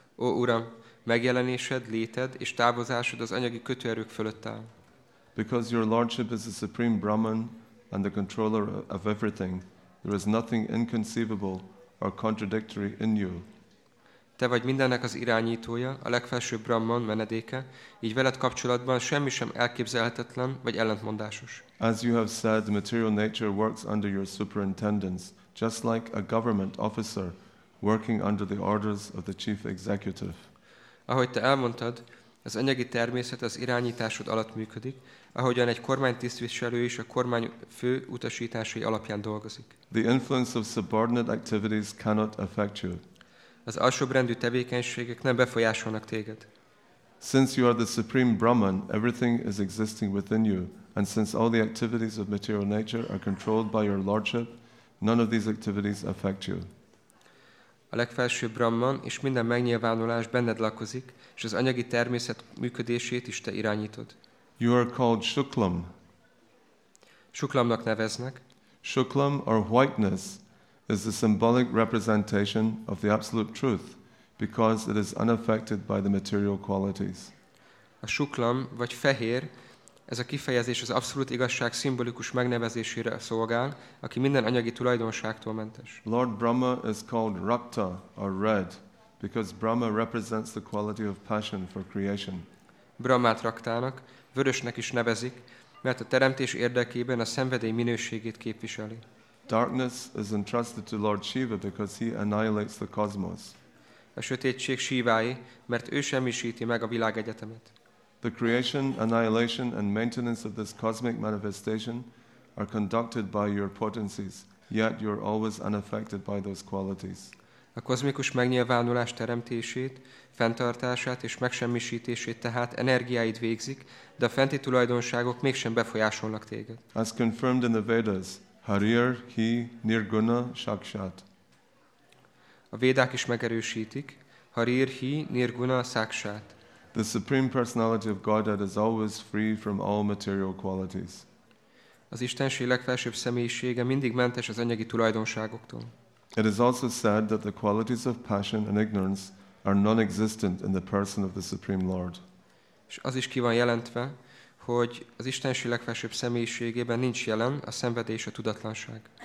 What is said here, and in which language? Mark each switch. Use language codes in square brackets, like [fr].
[hu] Ó Uram, megjelenésed, léted és távozásod az anyagi kötőerők fölött áll. [en] Because your lordship is the supreme Brahman and the controller of everything, there is nothing inconceivable or contradictory in you. [hu] Te vagy mindennek az irányítója, a legfelsőbb Brahman menedéke, így veled kapcsolatban semmi sem elképzelhetetlen vagy ellentmondásos. [en] As you have said, the material nature works under your superintendence, just like a government officer working under the orders of the chief executive. [hu] Ahogy te elmondtad, az anyagi természet az irányításod alatt működik, ahogyan egy kormánytisztviselő is a kormány fő utasításai alapján dolgozik. [en] The influence of subordinate activities cannot affect you. [hu] Az alsóbbrendű tevékenységek nem befolyásolnak téged. [en] Since you are the supreme Brahman, everything is existing within you, and since all the activities of material nature are controlled by your lordship, none of these activities affect you. [hu] A legfelsőbb Brahman és minden megnyilvánulás benned lakozik, és az anyagi természet működését is te irányítod. [en] You are called Shuklam. [hu] Shuklamnak neveznek. [en] Shuklam or whiteness is the symbolic representation of the absolute truth because it is unaffected by the material qualities. [hu] A Shuklam vagy fehér, ez a kifejezés az abszolút igazság szimbolikus megnevezésére szolgál, aki minden anyagi tulajdonságtól mentes. [en] Lord Brahma is called Rakta or red because Brahma represents the quality of passion for creation. [hu] Brahmát Raktának, vörösnek is nevezik, mert a teremtés érdekében a szenvedély minőségét képviseli. [en] Darkness is entrusted to Lord Shiva because he annihilates the cosmos. [hu] A sötétség Shivái, mert ő semmisíti meg a világegyetemet. [en] The creation, annihilation and maintenance of this cosmic manifestation are conducted by your potencies, yet you are always unaffected by those qualities. [hu] A kozmikus megnyilvánulás teremtését, fenntartását és megsemmisítését tehát energiáid végzik, de a fenti tulajdonságok mégsem befolyásolnak téged. [en] As confirmed in the Vedas, Harir, He, Nirguna, Sakshat. [hu] A Védák is megerősítik, Harir, He, Nirguna, Sakshat. [en] The Supreme Personality of Godhead is always free from all material qualities. [hu] Az Istenség legfelsőbb személyisége mindig mentes az anyagi tulajdonságoktól. [en] It is also said that the qualities of passion and ignorance are non-existent in the person of the Supreme Lord. [hu] És az is ki van jelentve, hogy az Istenség legfelsőbb személyiségében nincs jelen a szenvedély és a tudatlanság.